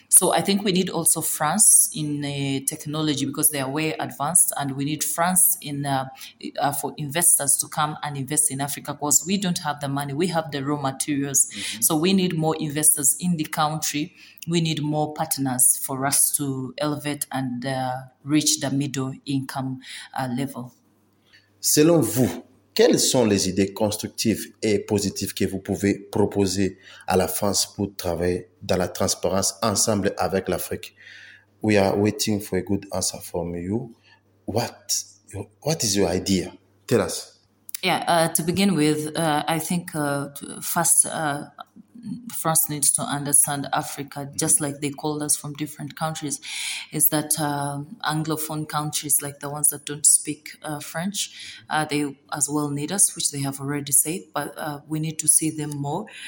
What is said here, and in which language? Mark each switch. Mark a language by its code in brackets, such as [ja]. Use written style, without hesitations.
[en] So I think we need also France in technology, because they are way advanced, and we need France in for investors to come and invest in Africa, because we don't have the money. We have the raw materials. Mm-hmm. So we need more investors in the country. We need more partners for us to elevate and reach the middle income level. [fr] Selon vous, quelles sont les idées constructives et positives que vous pouvez proposer à la France pour travailler dans la transparence ensemble avec l'Afrique? [en] We are waiting for a good answer from you. What is your idea? Tell us. Yeah, to begin with, I think first France needs to understand Africa, just like they called us from different countries, is that Anglophone countries, like the ones that don't speak French, they as well need us, which they have already said, but we need to see them more.